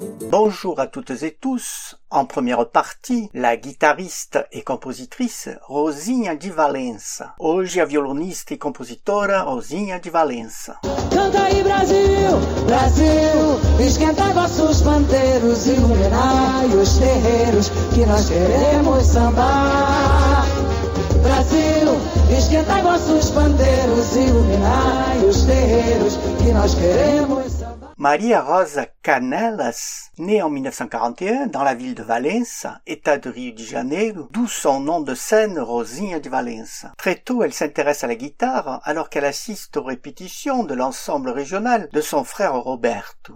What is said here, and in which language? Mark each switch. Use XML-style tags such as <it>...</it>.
<fr>Bonjour à toutes et tous. En première partie, la guitariste et compositrice Rosinha de Valença.</fr> <pt>Hoje, a</pt> <fr>violoniste et</fr> <pt>compositora Rosinha de Valença. Canta aí, Brasil, Brasil, esquentai vossos panteiros, iluminai os terreiros que nós queremos sambar. Brasil, esquentai vossos panteiros, iluminai os terreiros que nós queremos.</pt> <fr>Maria Rosa Canelas, née en 1941 dans la ville de Valença, état de Rio de Janeiro, d'où son nom de scène Rosinha de Valença. Très tôt, elle s'intéresse à la guitare alors qu'elle assiste aux répétitions de l'ensemble régional de son frère Roberto.</fr>